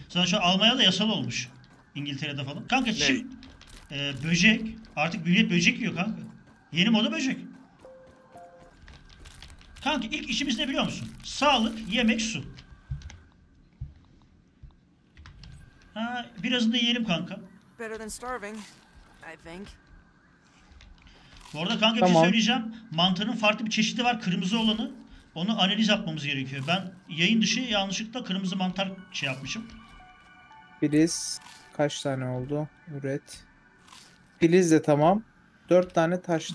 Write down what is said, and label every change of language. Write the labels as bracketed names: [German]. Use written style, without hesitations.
[Turkish] Sana şu Almanya'da yasal olmuş. İngiltere'de falan. Kanka şimdi böcek. Artık millet böcek yiyor kanka. Yeni moda böcek. Kanka ilk işimiz ne biliyor musun? Sağlık, yemek, su. Ha, birazını da yiyelim kanka. [English] Better than starving, I think. [Turkish] Bu arada kanka tamam, bir şey söyleyeceğim. Mantarın farklı bir çeşidi var. Kırmızı olanı. Onu analiz yapmamız gerekiyor. Ben yayın dışı yanlışlıkla kırmızı mantar şey yapmışım. Filiz kaç tane oldu? Üret. Filiz de tamam. 4 tane taş